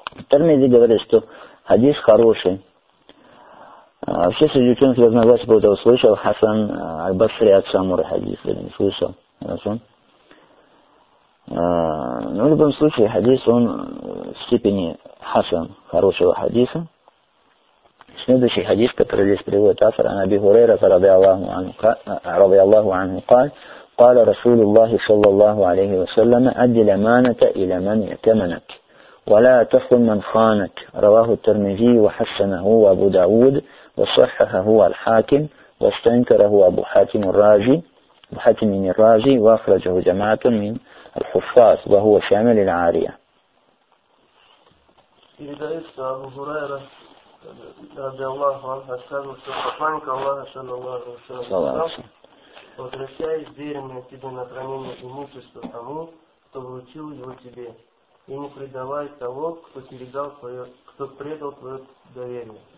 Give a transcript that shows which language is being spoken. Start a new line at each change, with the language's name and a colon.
Russian: Тирмизи говорит, что хадис хороший. Вообще среди ученых разногласий по этому слышал Хасан аль-Басри от Самура хадис, или не слышал. Хорошо? Но в любом случае хадис, он в степени хасан, хорошего хадиса. Следующий хадис, который здесь приводит автор, «Ан Аби Хурейра, ради Аллаху анху,
Arabic: قال رسول الله صلى الله عليه وسلم, أدي الأمانة إلى من ائتمنك, ولا تخن من خانك, رواه الترمذي وحسنه أبو داود, وصححه الحاكم, واستنكره أبو حاتم الرازي, أبو حاتم الرازي, وأخرجه جماعة من الحفاظ وهو شامل العارية.
Russian: передает, что Абу Хурайра ради Аллаху анха сказал, что посланник Аллаха саллаллаху алейхи ва саллям сказал: возвращай веренное тебе на хранение имущества тому, кто вручил его тебе, и не предавай того, кто передал твое, кто предал твое доверие.